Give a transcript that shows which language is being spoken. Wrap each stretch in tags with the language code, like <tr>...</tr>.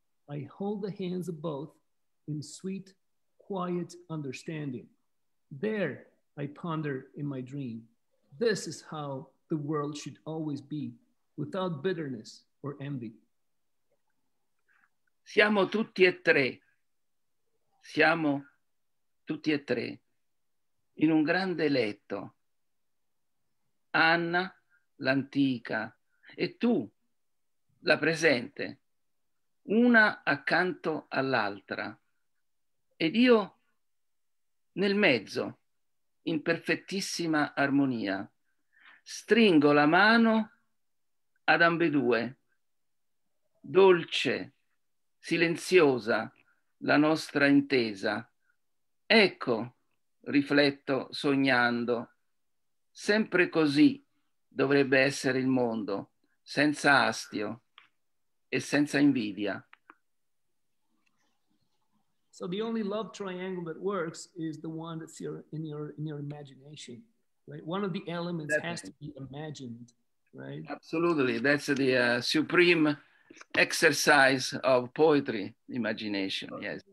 <en>I hold the hands of both in sweet, quiet understanding. There, I ponder in my dream, this is how the world should always be, without bitterness. Or envy.</en> <it>Siamo tutti e tre. Siamo tutti e tre in un grande letto. Anna, l'antica, e tu, la presente, una accanto all'altra, ed io nel mezzo, in perfettissima armonia. Stringo la mano ad ambedue. Dolce, silenziosa, la nostra intesa. Ecco, rifletto sognando, sempre così dovrebbe essere il mondo, senza astio e senza invidia.</it> <en>So the only love triangle that works is the one that's in your imagination, right? One of the elements has to be imagined, right? Absolutely, that's the supreme exercise of poetry, imagination, yes.</en>